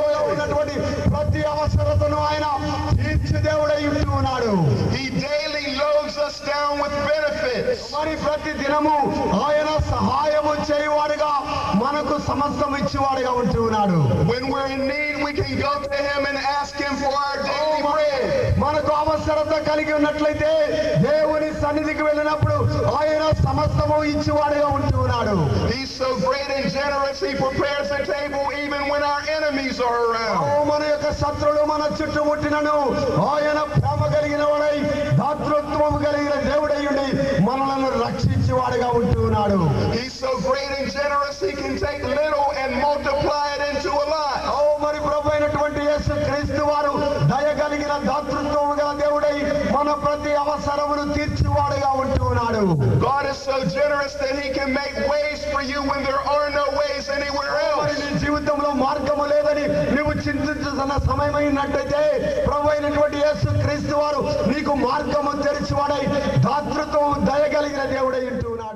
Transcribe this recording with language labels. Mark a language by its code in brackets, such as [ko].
[te] ఉన్నటువంటి ప్రతి అవసరతను ఆయన తీర్చి దేవుడై ఉంటూ ఉన్నాడు. [en] He daily loads us down with benefits. [te] మరి ప్రతి దినము ఆయన సహాయము చేయువాడుగా మనకు సమస్తం ఇచ్చేవాడుగా ఉంటూ ఉన్నాడు. [en] When we're in need, we can go to him and ask him for our daily bread. [te] మనకు అవసరత కలిగి ఉన్నట్లయితే దేవుని సన్నిధికి వెళ్ళినప్పుడు ఆయన సమస్తము ఇచ్చేవాడుగా ఉంటూ ఉన్నాడు. [en] He's so great and generous, he prepares a table even when our enemies are around. [te] ఓ మన యొక్క శత్రులు మన చుట్టుముట్టినను ఆయన ప్రేమ కలిగిన వాడై దాతృత్వం కలిగిన దేవుడయ్యుండి మనలను రక్షించేవాడుగా ఉంటూ ఉన్నాడు. [en] He's so great and generous, he can take little and multiply it into a lot. [te] మరి ప్రభు అయినటువంటి యేసు క్రీస్తు వారు దయ కలిగిన దాతృత్వము గల దేవుడై మన ప్రతి అవసరమును తీర్చువాడుగా ఉంటూ ఉన్నాడు. [en] God is so generous that he can make ways for you when there are no ways anywhere else. [te] మరి నీ జీవితంలో మార్గము లేదని నీవు చింతించుతున్న సమయమైనట్టయితే ప్రభు అయినటువంటి యేసు క్రీస్తు వారు నీకు మార్గము తెరిచివాడై దాతృత్వము దయ కలిగిన దేవుడై ఉంటూ